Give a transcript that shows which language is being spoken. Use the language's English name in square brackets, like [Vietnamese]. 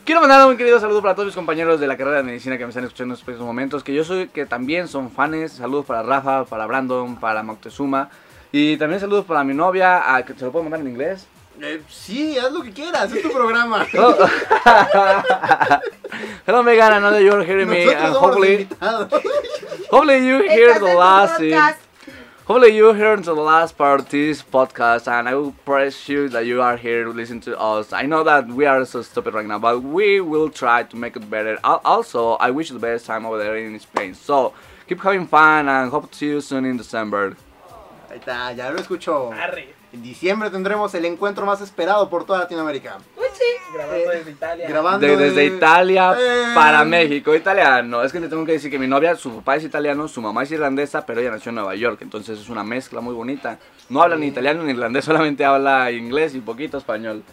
[Spanish] Quiero mandar un querido saludo para todos mis compañeros de la carrera de medicina que me están escuchando en estos próximos momentos, que también son fans. Saludos para Rafa, para Brandon, para Moctezuma, y también saludos para mi novia, que se lo puedo mandar en inglés. Sí, haz lo que quieras, es tu programa. [English] Hello Megan, I know that you're hearing me. Hopefully you hear the last Hopefully you hear the last part of this podcast, and I will praise you that you are here to listen to us. I know that we are so stupid right now, but we will try to make it better. Also, I wish you the best time over there in Spain. So keep having fun and hope to see you soon in December. [Spanish] Ahí está, ya lo escucho. En diciembre tendremos el encuentro más esperado por toda Latinoamérica. ¡Uchi! Grabando desde Italia. Desde Italia para México. Italiano. Es que te tengo que decir que mi novia, su papá es italiano, su mamá es irlandesa, pero ella nació en Nueva York. Entonces es una mezcla muy bonita. No habla ni italiano ni irlandés, solamente habla inglés y un poquito español.